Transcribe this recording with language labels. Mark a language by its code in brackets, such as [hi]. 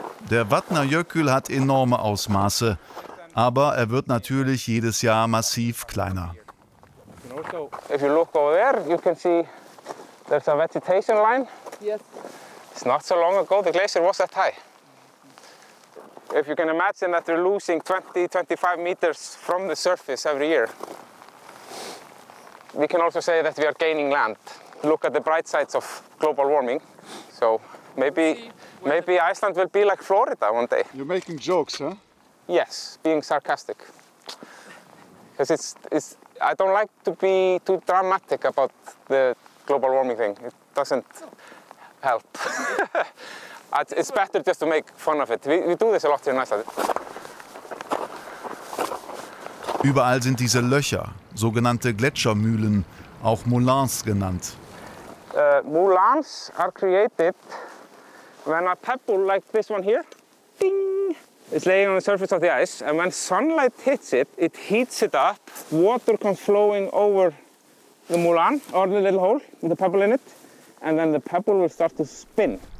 [de] Der Vatna Jökull hat enorme Ausmaße, aber er wird natürlich jedes Jahr massiv kleiner. [en] If you look over there, you can see there's a vegetation line. Yes. It's not so long ago, the glacier was that high. If you can imagine that we're losing 20, 25 meters from the surface every year, we can also say that we are gaining land. Look at the bright sides of global warming. So maybe Iceland will be like Florida one day. You're making jokes, huh? Yes, being sarcastic. Because I don't like to be too dramatic about the global warming thing. It doesn't help. It's better just to make fun of it. We do this a lot here in Iceland. [de] Überall sind diese Löcher, sogenannte Gletschermühlen, auch Moulins genannt. [en] Moulins are created when a pebble like this one here, ding, is laying on the surface of the ice, and when sunlight hits it, it heats it up. Water comes flowing over the moulin, or the little hole with the pebble in it, and then the pebble will start to spin.